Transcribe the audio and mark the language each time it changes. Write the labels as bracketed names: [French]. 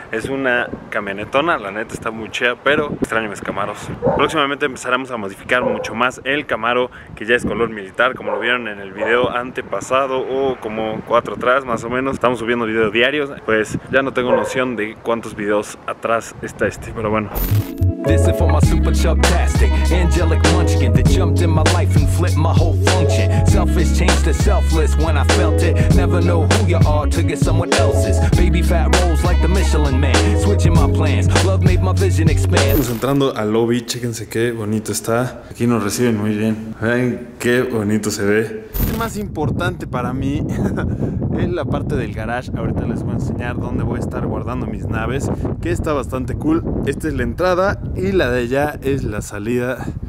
[Spanish] Es una camionetona, la neta está muy chea, pero extraño mis Camaros. Próximamente empezaremos a modificar mucho más el Camaro, que ya es color militar, como lo vieron en el video antepasado o como 4 atrás más o menos. Estamos subiendo videos diarios, pues ya no tengo noción de cuántos videos atrás está este, pero bueno. [English] This is for my super chubtastic, angelic munchkin that jumped in my life and flipped my whole function. Selfish changed to selfless when I felt it. Never know who you are to get someone else's. Baby fat rolls like the Michelin man. Switching my plans, love made my vision expand. [Spanish] Estamos entrando al lobby, chéquense qué bonito está. Aquí nos reciben muy bien. Vean qué bonito se ve. Lo más importante para mí es la parte del garage. Ahorita les voy a enseñar dónde voy a estar guardando mis naves, que está bastante cool. Esta es la entrada y la de allá es la salida.